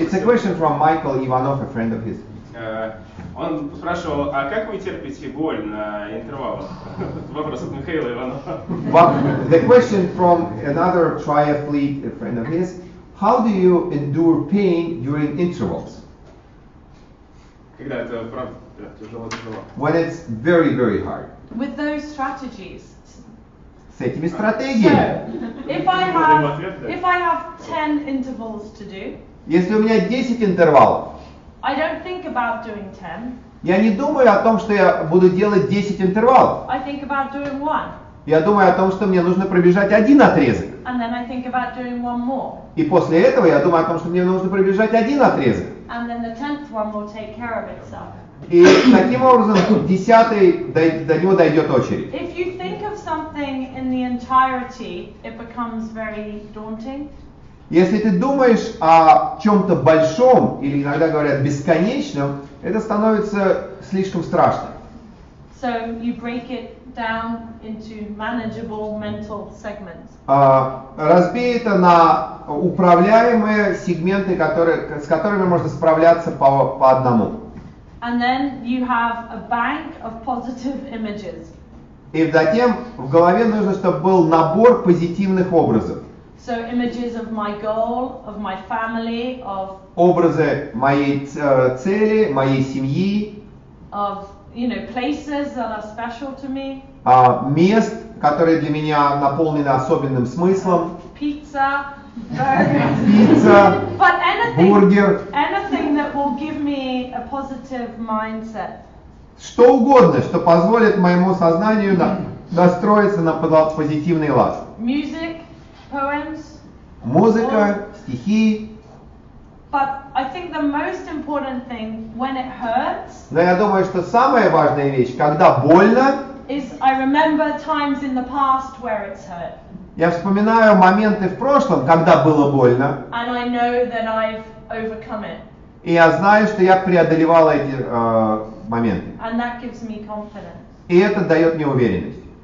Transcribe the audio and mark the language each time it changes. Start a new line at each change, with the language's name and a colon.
English: It's a question from Michael Ivanov, a friend of his.
Russian: Он спрашивал, а как вы терпите боль на интервалах? Вопрос от Михаила Иванова.
English: The question from another triathlete, a friend of his. How do you endure pain during intervals?
Russian: Когда это правда тяжело.
English: When it's very, very hard. With those strategies.
Russian: С этими стратегиями.
English: If I have 10 intervals to do.
Russian: Если у меня 10 интервалов.
English: I don't think about doing 10.
Russian: Я не думаю о том, что я буду делать 10 интервалов.
English: I think about doing one.
Russian: Я думаю о том, что мне нужно пробежать один отрезок.
English: And then I think about doing one more.
Russian: И после этого я думаю о том, что мне нужно пробежать один отрезок.
English: And then the tenth one will take care of itself.
Russian: И таким образом, десятый, до него дойдет очередь.
English: If you think of something in the entirety, it becomes very daunting.
Russian: Если ты думаешь о чем-то большом, или иногда говорят бесконечном, это становится слишком страшно.
English: So you break it down into manageable mental segments.
Russian: Разбей это на управляемые сегменты, с которыми можно справляться по одному.
English: And then you have a bank of positive images.
Russian: И затем в голове нужно, чтобы был набор позитивных образов.
English: So images of my goal, of my family, of
Russian: образы моей цели, моей семьи.
English: Of you know, places that are special to me.
Russian: Мест, которые для меня наполнены особенным смыслом.
English: Pizza, burgers. Pizza, but anything, burger. Anything that will give me a positive mindset.
Russian: Что угодно, что позволит моему сознанию настроиться на позитивный лад.
English: Music, poems.
Russian: Музыка, стихи.
English: But I think the most important thing when it hurts.
Russian: Но я думаю, что самая важная вещь, когда больно.
English: Is I remember times in the past where it's hurt.
Russian: Я вспоминаю моменты в прошлом, когда было больно.
English: And I know that I've overcome it.
Russian: И я знаю, что я преодолевал эти моменты.
English: And that gives me confidence.
Russian: И это дает мне уверенность.